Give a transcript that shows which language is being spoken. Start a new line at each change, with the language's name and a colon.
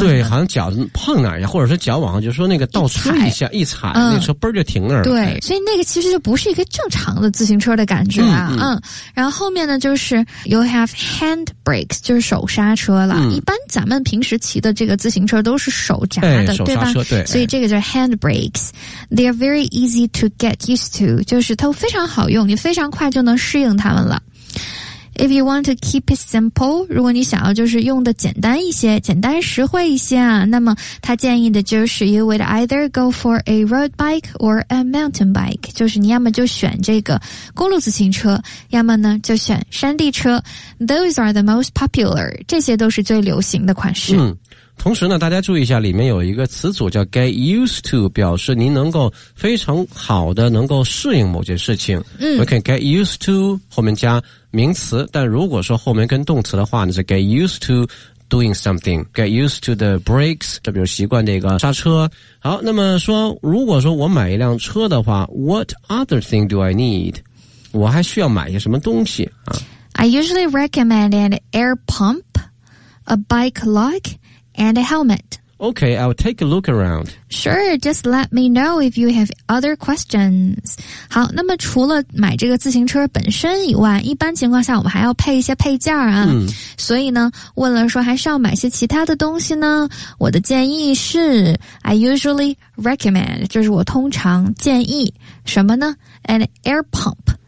Chinese: 对，好像脚碰哪呀，或者是脚往后，就是说那个倒车一下一踩、嗯、那车嘣就停那儿了。对、哎、所以那个其实就不是一个正常的自行车的感觉啊。嗯, 嗯然后后面呢就是
English: you have hand brakes,
Chinese: 就是手刹车啦、嗯。一般咱们平时骑的这个自行车都是手刹。对吧？对，所以这个叫 handbrakes.
English: They are very easy to get used to.
Chinese: 就是都非常好用，你非常快就能适应它们了。
English: If you want to keep it simple,
Chinese: 如果你想要就是用的简单一些，简单实惠一些啊，那么他建议的就是
English: you would either go for a road bike or a mountain bike.
Chinese: 就是你要么就选这个公路自行车，要么呢就选山地车。
English: Those are the most popular.
Chinese: 这些都是最流行的款式。嗯同时呢大家注意一下里面有一个词组叫 get used to 表示您能够非常好的能够适应某件事情、嗯、
English: we can get used to
Chinese: 后面加名词但如果说后面跟动词的话呢是
English: get used to doing something get used to the brakes
Chinese: 这比如习惯这个刹车好那么说如果说我买一辆车的话
English: what other thing do I need
Chinese: 我还需要买些什么东西、啊、
English: I usually recommend an air pump a bike lockand a helmet. Okay, I'll take a look around. Sure, just let me know if you have other questions.
Chinese: 好，那么除了买这个自行车本身以外，一般情况下我们还要配一些配件啊。嗯、所以呢，问了说还是要买些其他的东西呢？我的建议是 ，
English: I usually recommend，
Chinese: 就是我通常建议什么呢 ？
English: An air pump，